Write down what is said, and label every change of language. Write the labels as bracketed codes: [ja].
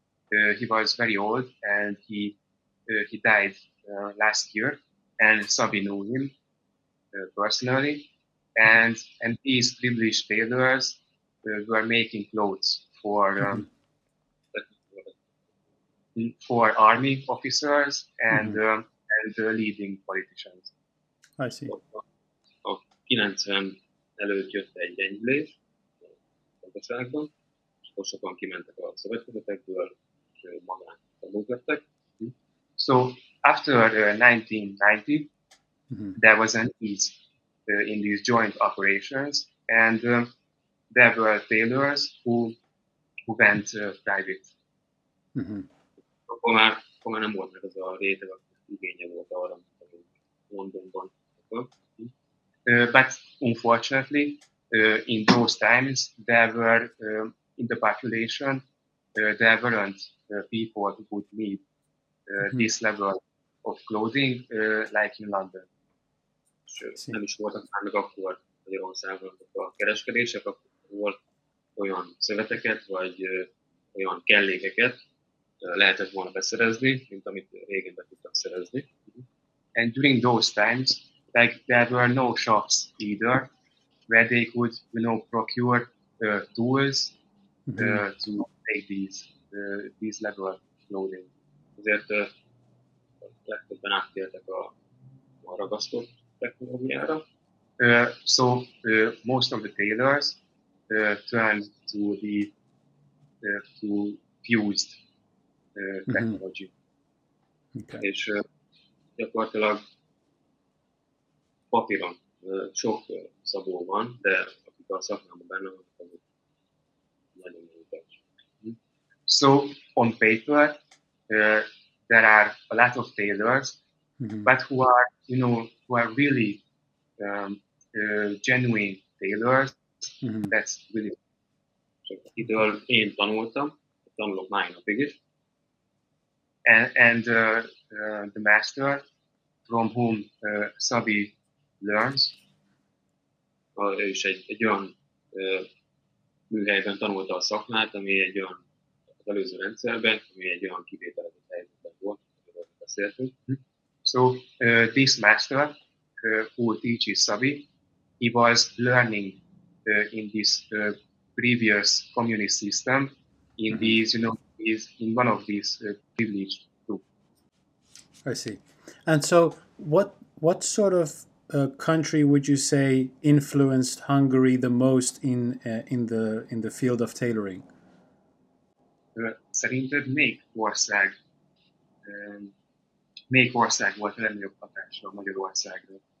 [en] He was very old, and he died last year, and Szabi knew him personally, and these privileged tailors were making clothes for army officers and leading politicians. I see. [hu] A 90 előtt jött egy gyengülés a országban, és akkor sokan kimentek a szövetkezetekből, és magán tanulók lettek. [en] So after 1990, there was an ease in these joint operations, and there were tailors who went private. [hu] Akkor már nem volt meg az a réteg, aki igénye volt arra, hogy Londonban. [en] But unfortunately, in those times, there were in the population, there weren't people who would need this level of clothing like in London. [hu] Nem is voltak már meg akkor Magyarországon a kereskedések, akkor volt olyan szöveteket, vagy olyan kellékeket lehetett volna beszerezni, mint amit régen be tudtak szerezni. [en] And during those times, like there were no shops either, where they could, you know, procure tools to make these level of clothing. [hu] Ezért legtöbben áttértek a ragasztott technológiára. [en] So most of the tailors turned to the to fused technology. Okay. [hu] És gyakorlatilag papíron sok szabó van, de akik a szakmában benne van, azok nagyon nagyobb. [en] So on paper, there are a lot of tailors, but who are, you know, who are really genuine tailors, that's really. [hu] Akitől én tanultam, tanulok máig napig is. [en] And the master from whom Szabi learns, [hu] ő is egy olyan műhelyben tanulta a szakmát, ami egy olyan az előző rendszerben, ami egy olyan kivételezett helyzetben volt, amiről beszéltünk. [en] So this master who teaches Szabi, he was learning in this previous communist system in these, you know, in one of these privileged groups. I see. And so what sort of country would you say influenced Hungary the most in the field of tailoring? [hu] Szerinted melyik ország volt a legnagyobb hatással Magyarországra?